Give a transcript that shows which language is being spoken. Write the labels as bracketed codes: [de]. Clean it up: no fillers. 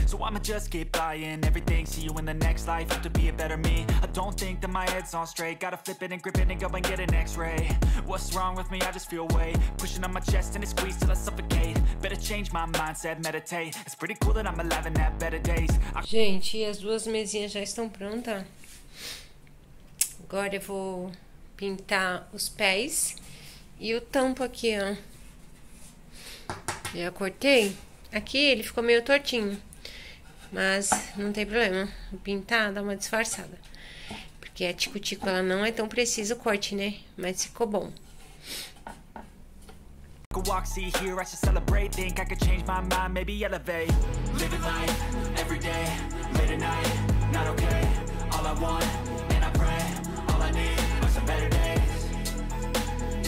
[en] So I'ma just get buying everything. See you in the next life, have to be a better me. I don't think that my head's on straight. Gotta flip it and grip it and go and get an x-ray. What's wrong with me? I just feel weight pushing on my chest and it squeezes till I suffocate. Better change my mindset, meditate. It's pretty cool that I'm alive and have better days. [pt] Gente, as duas mesinhas já estão prontas. Agora eu vou pintar os pés e o tampo aqui, ó. Já cortei. Aqui ele ficou meio tortinho, mas não tem problema. Vou pintar, dá uma disfarçada. Porque a tico-tico, ela não é tão precisa o corte, né? Mas ficou bom. [en] I could walk, see, hear, I should celebrate. Think I could change my mind, maybe elevate. Living life, every day, late at night, not okay. All I want, and I pray, all I need are some better days.